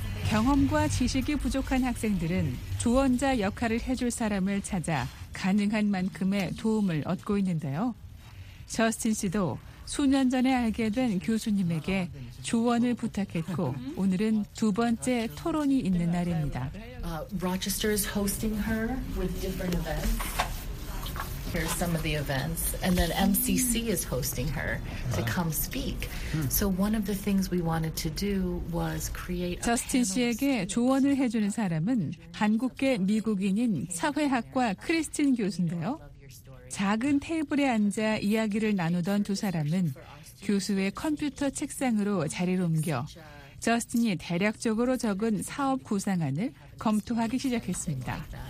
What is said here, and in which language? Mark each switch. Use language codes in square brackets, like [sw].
[ko] 경험과 지식이 부족한 학생들은 조언자 역할을 해줄 사람을 찾아 가능한 만큼의 도움을 얻고 있는데요. 저스틴 씨도 수년 전에 알게 된 교수님에게 조언을 부탁했고 오늘은 두 번째 토론이 있는 날입니다. [en] Rochester is hosting her with different events. Here's some of the events. And then MCC is hosting her to come speak. So one of the things we wanted to do was create a [ko] 저스틴 씨에게 조언을 해주는 사람은 한국계 미국인인 사회학과 크리스틴 교수인데요. 작은 테이블에 앉아 이야기를 나누던 두 사람은 교수의 컴퓨터 책상으로 자리를 옮겨 저스틴이 대략적으로 적은 사업 구상안을 검토하기 시작했습니다.